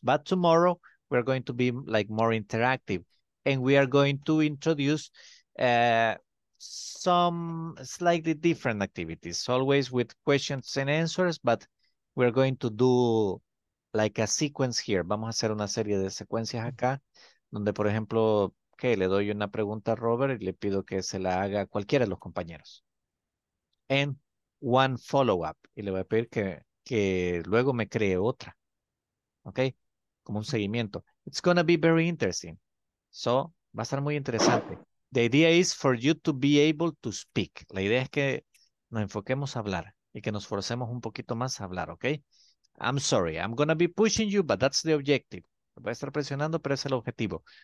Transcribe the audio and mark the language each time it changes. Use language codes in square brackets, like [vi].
[en] But tomorrow, we're going to be like more interactive, and we are going to introduce some slightly different activities, always with questions and answers, but we're going to do like a sequence here. [es] Vamos a hacer una serie de secuencias acá, donde, por ejemplo, que le doy una pregunta a Robert y le pido que se la haga a cualquiera de los compañeros. [en] And one follow-up. [es] Y le voy a pedir que luego me cree otra. ¿Ok? Como un seguimiento. [en] It's going to be very interesting. [es] So, va a estar muy interesante. [en] The idea is for you to be able to speak. [es] La idea es que nos enfoquemos a hablar y que nos forcemos un poquito más a hablar. [en] ¿Ok? I'm sorry. I'm going to be pushing you, but that's the objective. [es] Voy a estar presionando, pero es el objetivo.